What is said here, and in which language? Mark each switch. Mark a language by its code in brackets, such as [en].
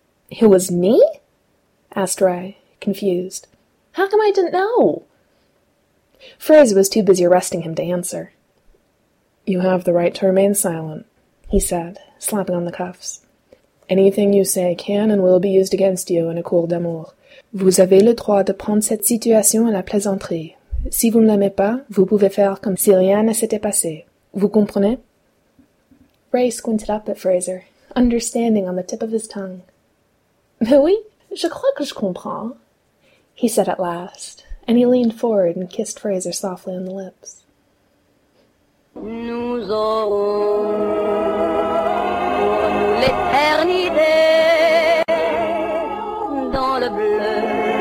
[en] "It was me?" asked Ray, confused. "How come I didn't know?" Fraser was too busy arresting him to answer. "You have the right to remain silent," he said, slapping on the cuffs. "Anything you say can and will be used against you in a [fr] cour d'amour. Vous avez le droit de prendre cette situation à la plaisanterie. Si vous ne l'aimez pas, vous pouvez faire comme si rien ne s'était passé. Vous comprenez? [en] Ray squinted up at Fraser, understanding on the tip of his tongue. [fr] Mais oui, je crois que je comprends, [en] he said at last, and he leaned forward and kissed Fraser softly on the lips. [fr] Nous aurons pour nous l'éternité dans le bleu.